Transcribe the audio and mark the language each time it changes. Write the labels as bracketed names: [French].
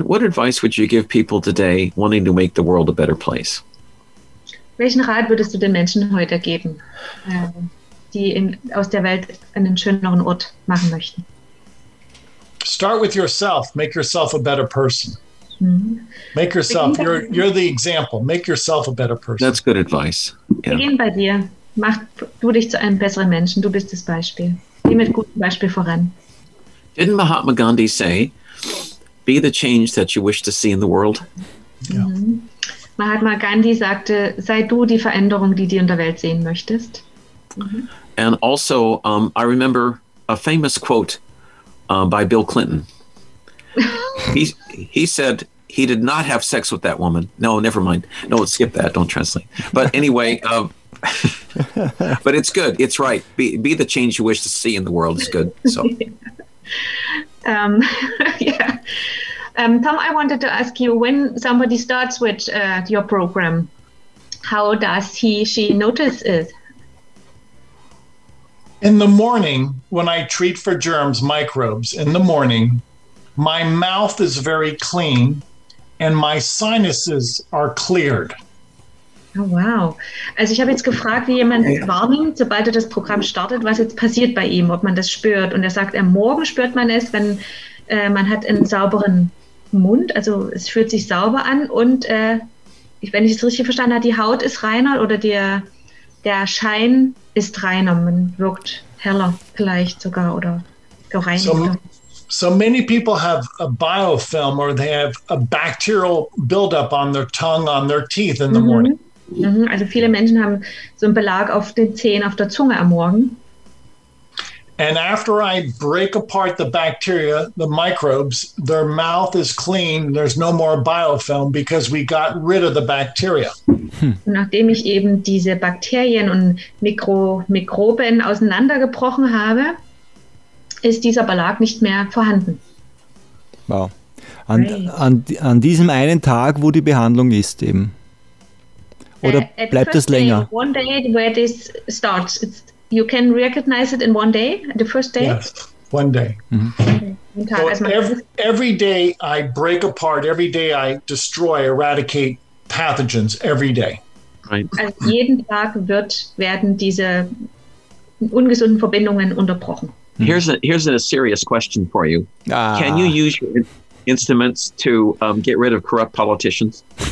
[English] What advice would you give people today wanting to make the world a better place? [German] Welchen Rat würdest du den Menschen heute geben, die aus der Welt einen schöneren Ort machen möchten? [English] Start with yourself. Make yourself a better person. Mm-hmm. Make yourself. You're the example. Make yourself a better person. That's good advice. [German] Yeah. Beginn bei dir. Mach du dich zu einem besseren Menschen. Du bist das Beispiel. Geh mit gutem Beispiel voran. [English] Didn't Mahatma Gandhi say, be the change that you wish to see in the world? Yeah. [German] Mahatma Gandhi sagte, sei du die Veränderung, die du in der Welt sehen möchtest. [English] And also, I remember a famous quote by Bill Clinton. He said he did not have sex with that woman. No, never mind. No, skip that. Don't translate. But anyway, but it's good. It's right. Be the change you wish to see in the world is good. So. Tom, I wanted to ask you, when somebody starts with your program, how does she notice it? In the morning, when I treat for germs, microbes, in the morning, my mouth is very clean and my sinuses are cleared. Oh, wow. [German] Also ich habe jetzt gefragt, wie jemand wahrnimmt, sobald er das Programm startet, was jetzt passiert bei ihm, ob man das spürt. Und er sagt, morgen spürt man es, wenn man hat einen sauberen Mund, also es fühlt sich sauber an. Und wenn ich es richtig verstanden habe, die Haut ist reiner oder der Schein ist reiner. Man wirkt heller vielleicht sogar oder gereinigter. So, [English] So many people have a biofilm, or they have a bacterial buildup on their tongue, on their teeth in the morning. [German] Also viele Menschen haben so einen Belag auf den Zähnen, auf der Zunge am Morgen. [English] And after I break apart the bacteria, the microbes, their mouth is clean. There's no more biofilm because we got rid of the bacteria. [German] Nachdem ich eben diese Bakterien und Mikroben auseinandergebrochen habe, ist dieser Belag nicht mehr vorhanden. Wow. An diesem einen Tag, wo die Behandlung ist eben. Oder bleibt es länger? [English] One day where this starts. You can recognize it in one day, the first day? Yes, one day. Mm-hmm. Okay. So every day I break apart, every day I destroy, eradicate pathogens, every day. Right. [German] Also jeden Tag werden diese ungesunden Verbindungen unterbrochen. [English] Here's a serious question for you. Can you use your instruments to get rid of corrupt politicians?